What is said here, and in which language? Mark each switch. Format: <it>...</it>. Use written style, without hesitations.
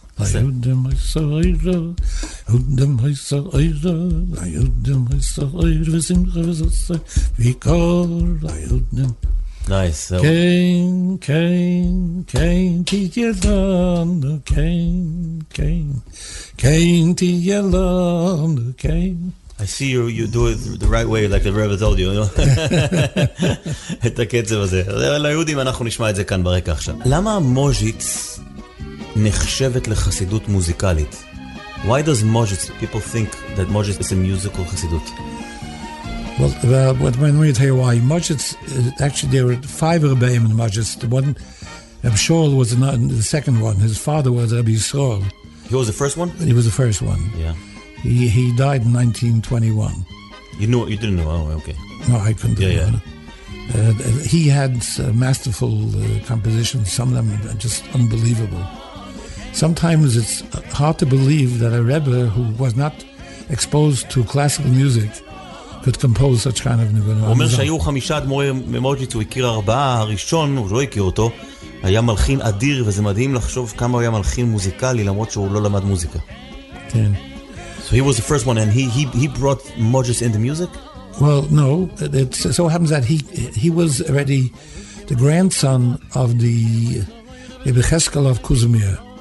<he>ליהודים הישראל, יהודים הישראל, ליהודים הישראל, ושמחה וזוסה, ויקור ליהודים.</he> <en>נייס.</en> <he>כן, כן, כן, תהיה לנו, כן, כן, כן, תהיה לנו, כן.</he> <en>I see you do it the right way, like the Rebbe told you.</en> <he>את הקצב הזה. ליהודים, אנחנו נשמע את זה כאן ברקע עכשיו. למה מוז'יץ נחשבת לחסידות מוזיקלית?</he> <en>Why does מוז'יץ, people think that מוז'יץ is a musical חסידות? Well, let me tell you why. מוז'יץ, actually there were five Rebbeim in מוז'יץ. The one, Reb Shaul was the second one. His father was Reb Yisrael. He was the first one? He was the first one. Yeah. He died in 1921. You knew, you didn't know. Oh, okay. No, I couldn't. Yeah, yeah. He had masterful compositions. Some of them are just unbelievable. Sometimes it's hard to believe that a Rebbe who was not exposed to classical music could compose such kind of nivanah.</en> <he>אומר שהיו חמישה אדמו"רי ממוז'יץ, הוא הכיר ארבעה, הראשון, הוא לא הכיר אותו, היה מלחין אדיר, וזה מדהים לחשוב כמה הוא היה מלחין מוזיקלי, למרות שהוא לא למד מוזיקה. כן.</he> <en>So he was the first one, and he brought Moses into music? Well, no. It so happens that he was already the grandson of the Rebbe Cheskel of Kuzmir.</en>